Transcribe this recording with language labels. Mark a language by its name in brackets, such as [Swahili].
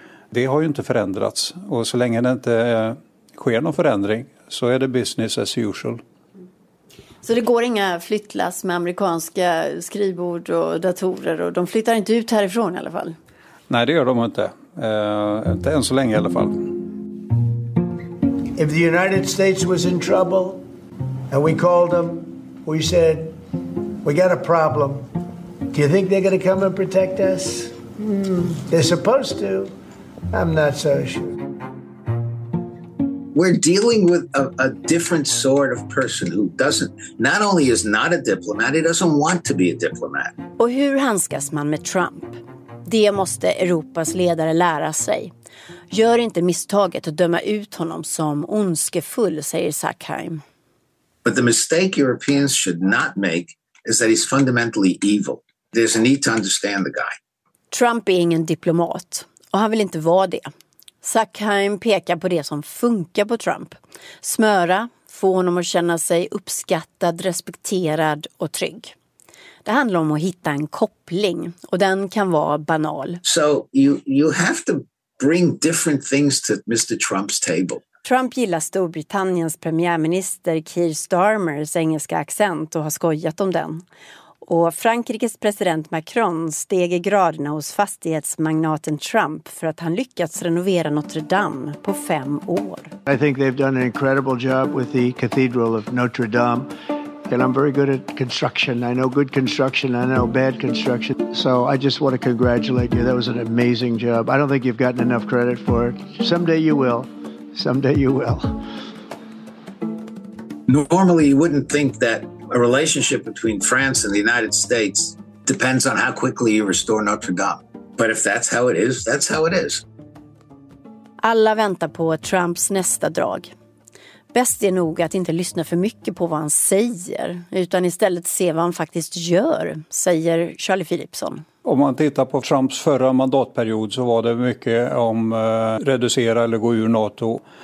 [Swedish] Det har ju inte förändrats och så länge det inte sker någon förändring så är det [English] business as usual. [Swedish] Så det går inga flyttlass med amerikanska skrivbord och datorer och de flyttar inte ut härifrån i alla fall? Nej, det gör de inte. Inte än så länge i alla fall. [English] If the United States was in trouble and we called them, we said we got a problem. Do you think they're going to come and protect us? They're supposed to. I'm not so sure. We're dealing with a different sort of person who doesn't, not only is not a diplomat, he doesn't want to be a diplomat. [Swedish] Och hur handskas man med Trump? Det måste Europas ledare lära sig. Gör inte misstaget att döma ut honom som ondskefull, säger Sackheim. [English] But the mistake Europeans should not make is that he's fundamentally evil. There's a need to understand the guy. [Swedish] Trump är ingen diplomat och han vill inte vara det. Sackheim pekar på det som funkar på Trump. Smöra, få honom att känna sig uppskattad, respekterad och trygg. Det handlar om att hitta en koppling och den kan vara banal. [English] So you have to bring different things to Mr. Trump's table. [Swedish] Trump gillar Storbritanniens premiärminister Keir Starmers engelska accent och har skojat om den. Och Frankrikes president Macron steg i graderna hos fastighetsmagnaten Trump för att han lyckats renovera Notre Dame på 5 år. [English] I think they've done an incredible job with the Cathedral of Notre Dame. And I'm very good at construction. I know good construction. I know bad construction. So I just want to congratulate you. That was an amazing job. I don't think you've gotten enough credit for it. Someday you will. Someday you will. Normally, you wouldn't think that a relationship between France and the United States depends on how quickly you restore Notre Dame. But if that's how it is, that's how it is. [Swedish] Alla väntar på Trumps nästa drag. Bäst är nog att inte lyssna för mycket på vad han säger, utan istället se vad han faktiskt gör, säger Charlie Philipson. Om man tittar på Trumps förra mandatperiod så var det mycket om reducera eller gå ur NATO.